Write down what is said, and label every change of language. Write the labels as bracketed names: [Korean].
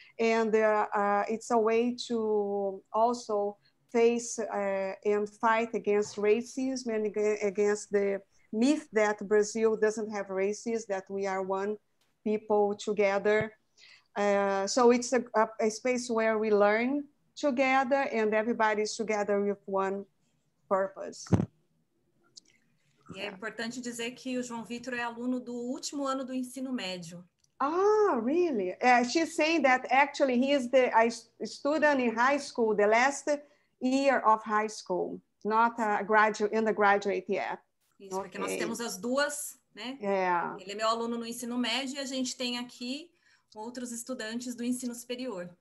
[English] And it's a way to also face and fight against racism and against the myth that Brazil doesn't have racism, that we are one people together. So it's a space where we learn together and everybody's together with one purpose. [Portuguese] E é importante dizer que o João Vitor é aluno do último ano do ensino médio. [English] Ah, really? She's saying that actually he is the student in high school, the last year of high school, not a graduate, undergraduate yet. [Portuguese] Isso, okay. Porque nós temos as duas, né? [English] Yeah. [Portuguese] Ele é meu aluno no ensino médio e a gente tem aqui outros estudantes do ensino superior.